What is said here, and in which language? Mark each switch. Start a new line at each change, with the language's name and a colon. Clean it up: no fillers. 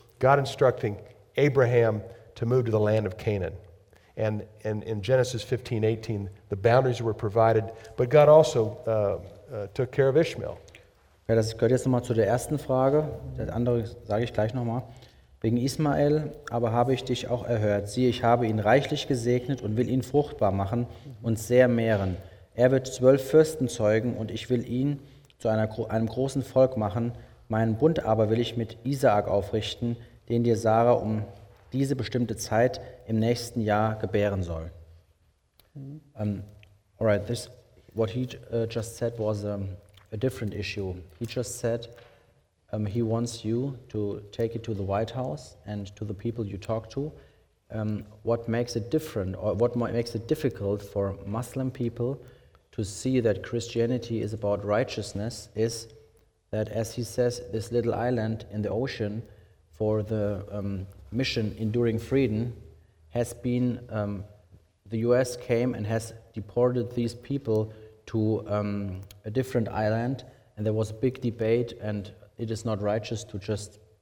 English: God instructing Abraham to move to the land of Canaan, and in Genesis 15:18, the boundaries were provided, but God also took care of Ishmael.
German: Ja, das gehört jetzt nochmal zu der ersten Frage. Das andere sage ich gleich nochmal. Wegen Ismael aber habe ich dich auch erhört. Siehe, ich habe ihn reichlich gesegnet und will ihn fruchtbar machen und sehr mehren. Er wird 12 Fürsten zeugen und ich will ihn zu einem großen Volk machen. Meinen Bund aber will ich mit Isaak aufrichten, den dir Sarah um diese bestimmte Zeit im nächsten Jahr gebären soll.
English: All right, this what he just said was a different issue. He just said he wants you to take it to the White House and to the people you talk to. What makes it different, or what makes it difficult for Muslim people to see that Christianity is about righteousness is that, as he says, this little island in the ocean for the mission Enduring Freedom has been, the US came and has deported these people to a different island, and there was a big debate, and it is not righteous to just...